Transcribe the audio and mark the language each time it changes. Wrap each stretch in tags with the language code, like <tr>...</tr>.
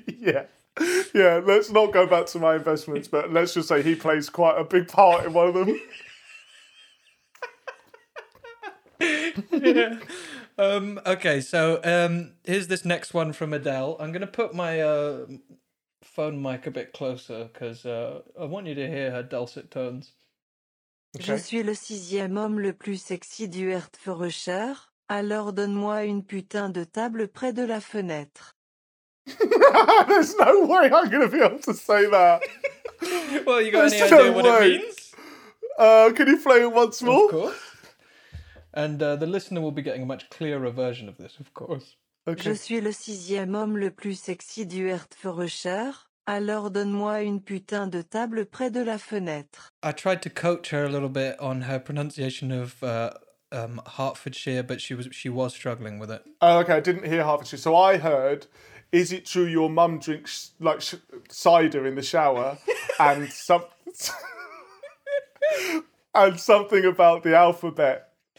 <en>Yeah. Let's not go back to my investments, but let's just say he plays quite a big part in one of them. Yeah. Okay, so here's this next one from Adele. I'm going to put my phone mic a bit closer because I want you to hear her dulcet tones. Okay.</en> <fr>Je suis le sixième homme le plus sexy du Hertfordshire. Alors donne-moi une putain de table près de la fenêtre.</fr> <en>There's no way I'm going to be able to say that. Well, you got There's any idea no what way. It means? Can you play it once more? Of course. And the listener will be getting a much clearer version of this, of course.</en> <fr>Okay. Je suis le sixième homme le plus sexy du Hertfordshire. Alors donne-moi une putain de table près de la fenêtre.</fr> <en>I tried to coach her a little bit on her pronunciation of Hertfordshire, but she was struggling with it. Oh, okay, I didn't hear Hertfordshire. So I heard, is it true your mum drinks like cider in the shower and something about the alphabet?</en>